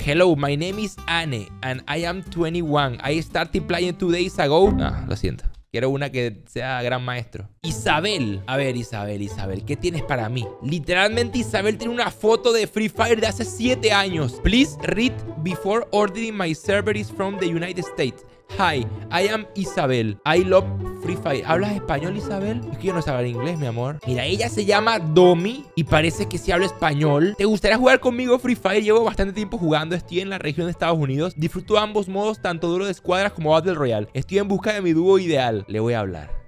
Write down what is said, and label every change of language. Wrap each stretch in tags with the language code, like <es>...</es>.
<en>Hello, my name is Anne and I am 21, I started playing 2 days ago.</en> <es>No, lo siento, quiero una que sea gran maestro. Isabel, a ver, Isabel, ¿qué tienes para mí? Literalmente Isabel tiene una foto de Free Fire de hace 7 años.</es> <en>Please read before ordering, my server is from the United States. Hi, I am Isabel. I love Free Fire.</en> <es>¿Hablas español, Isabel? Es que yo no sé hablar inglés, mi amor. Mira, ella se llama Domi y parece que sí habla español. ¿Te gustaría jugar conmigo Free Fire? Llevo bastante tiempo jugando. Estoy en la región de Estados Unidos. Disfruto ambos modos, tanto duelo de escuadras como Battle Royale. Estoy en busca de mi dúo ideal. Le voy a hablar.</es>